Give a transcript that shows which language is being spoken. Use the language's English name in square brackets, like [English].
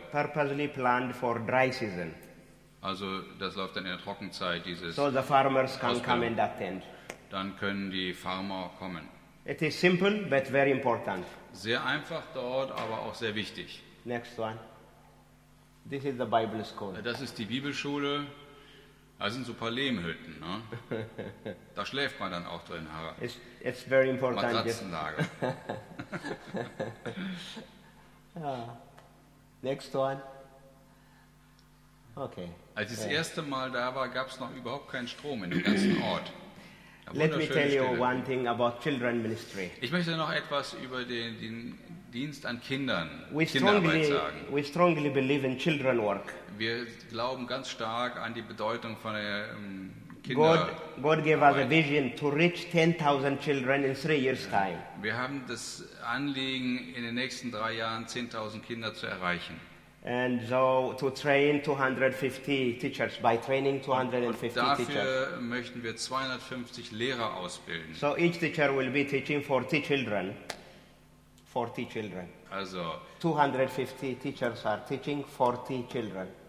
[English] Purposely planned for dry season. [German] Also das läuft dann in der Trockenzeit, dieses. [English] So the farmers can come and attend. [German] Dann können die Farmer kommen. [English] It is simple, but very important. [German] Sehr einfach dort, aber auch sehr wichtig. [English] Next one. This is the Bible school. [German] Das ist die Bibelschule. Da sind so ein paar Lehmhütten. Ne? Da schläft man dann auch drin, Harald. [English] It's very important. [German] Matratzenlage. [English] Next one. Okay. [German] Als ich das erste Mal da war, gab es noch überhaupt keinen Strom in dem ganzen Ort. [English] Let me tell you one thing about children ministry. [German] Ich möchte noch etwas über den Dienst an Kindern, Kinderarbeit sagen. [English] We strongly believe in children work. [German] Wir glauben ganz stark an die Bedeutung von Kinderarbeit. [English] God gave us a vision to reach 10,000 children in 3 years' time. [German] Wir haben das Anliegen, in den nächsten 3 Jahren 10,000 Kinder zu erreichen. [English] And so to train 250 teachers by training 250 [German] und dafür [English] teachers. [German] Dafür möchten wir 250 Lehrer ausbilden. [English] So each teacher will be teaching 40 children. 40 children. [German] Also [English] 250 teachers are teaching 40 children.